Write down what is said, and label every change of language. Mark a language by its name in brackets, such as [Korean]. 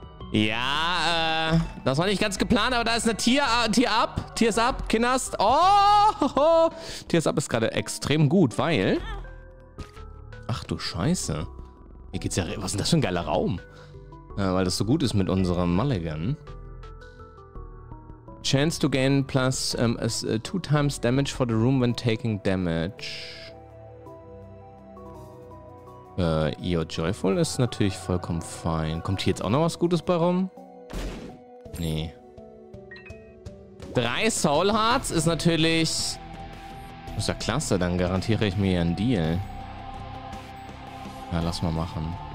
[German] Ja, das war nicht ganz geplant, aber da ist eine Tier ab. Tier ist ab, Kinnast. Oh! Tier ist ab ist gerade extrem gut, weil. Ach du Scheiße. Hier geht's ja. Was ist das für ein geiler Raum? Weil das so gut ist mit unserem Mulligan. [English] Chance to gain plus 2x damage for the room when taking damage. [German] Io Joyful ist natürlich vollkommen fein. Kommt hier jetzt auch noch was Gutes bei rum? Nee. 3 Soul Hearts ist natürlich... Das ist ja klasse, dann garantiere ich mir einen Deal. Ja, lass mal machen.